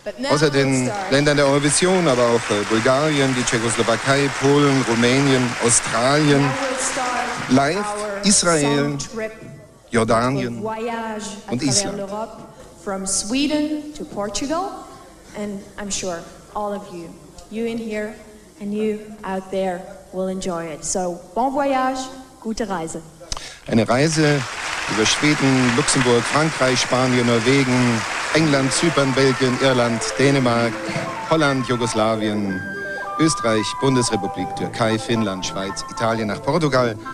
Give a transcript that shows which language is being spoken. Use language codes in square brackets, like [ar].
[de] Außer den Ländern der Eurovision, aber auch Bulgarien, die Tschechoslowakei, Polen, Rumänien, Australien, live Israel, Jordanien und Island. [en] From Sweden to Portugal, and I'm sure all of you, you in here and you out there, will enjoy it. [de] So, bon voyage, gute Reise. Eine Reise über Schweden, Luxemburg, Frankreich, Spanien, Norwegen, England, Zypern, Belgien, Irland, Dänemark, Holland, Jugoslawien, Österreich, Bundesrepublik, Türkei, Finnland, Schweiz, Italien nach Portugal.